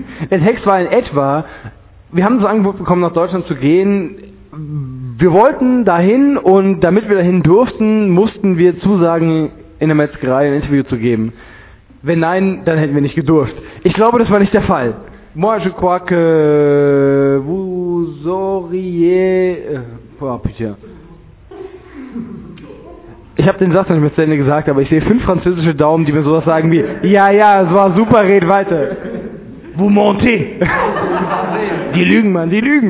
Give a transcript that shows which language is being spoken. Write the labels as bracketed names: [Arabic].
[German] Der Text war in etwa. Wir haben das Angebot bekommen, nach Deutschland zu gehen. Wir wollten dahin und damit wir dahin durften, mussten wir zusagen, in der Metzgerei ein Interview zu geben. Wenn nein, dann hätten wir nicht gedurft. Ich glaube, das war nicht der Fall. [French] Moi, je crois que vous auriez... Oh, putain. [German] Ich habe den Satz nicht mit Sende gesagt, aber ich sehe 5 französische Daumen, die mir sowas sagen wie, ja, ja, es war super, red weiter. [French] Vous mentez. [German] Die lügen, Mann, die lügen.